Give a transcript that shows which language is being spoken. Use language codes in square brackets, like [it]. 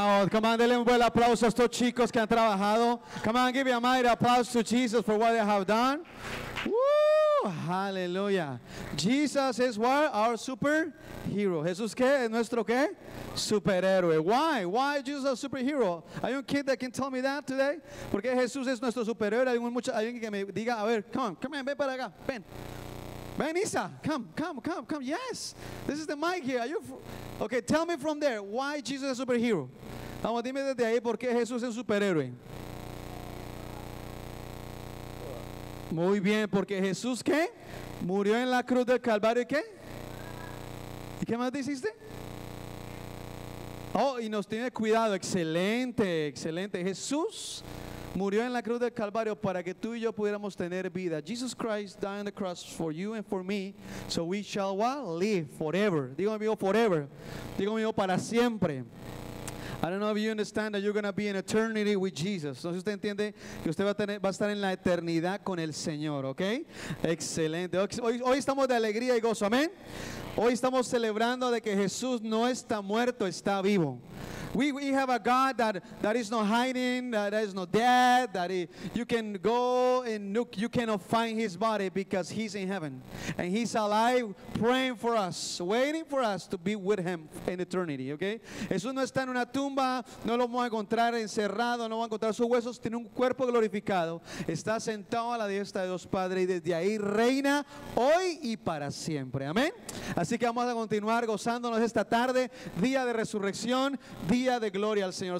[en] Come on, [es] denle un buen aplauso a estos chicos que han trabajado. [en] Come on, give me a mighty applause to Jesus for what they have done. Woo, hallelujah. Jesus is what? Our superhero. [es] ¿Jesús qué? ¿Es nuestro qué? Superhéroe. Why? [en] Why is Jesus a superhero? [es] Hay un [en] kid that can tell me that today. [es] ¿Por qué Jesús es nuestro superhéroe? Hay alguien que me diga, a ver, [en] come on, come on, [es] ven para acá, ven. Ven, Isa, come. [en] Yes, this is the mic here. Are you? Okay, tell me from there, why Jesus is a superhero? [es] Vamos, dime desde ahí por qué Jesús es un superhéroe. Muy bien, porque Jesús ¿qué? Murió en la cruz del Calvario ¿y qué? ¿Y qué más dijiste? Oh, y nos tiene cuidado. Excelente, excelente. Jesús murió en la cruz del Calvario para que tú y yo pudiéramos tener vida. [en] Jesus Christ died on the cross for you and for me, so we shall what? Live forever. [es] Digo amigo, forever. Digo amigo, para siempre. [en] I don't know if you understand that you're going to be in eternity with Jesus. [es] No sé si usted entiende que usted va a estar en la eternidad con el Señor, ¿ok? Excelente. Hoy estamos de alegría y gozo, amén. Hoy estamos celebrando de que Jesús no está muerto, está vivo. [en] We have a God that is not hiding, that is not dead, that you can go and look, you cannot find his body because he's in heaven. And he's alive praying for us, waiting for us to be with him in eternity, okay? [es] Jesús no está en una tumba, no lo vamos a encontrar encerrado, no vamos a encontrar sus huesos, tiene un cuerpo glorificado. Está sentado a la diestra de Dios Padre y desde ahí reina hoy y para siempre, amén. Así que vamos a continuar gozándonos esta tarde, día de resurrección, día de gloria al Señor.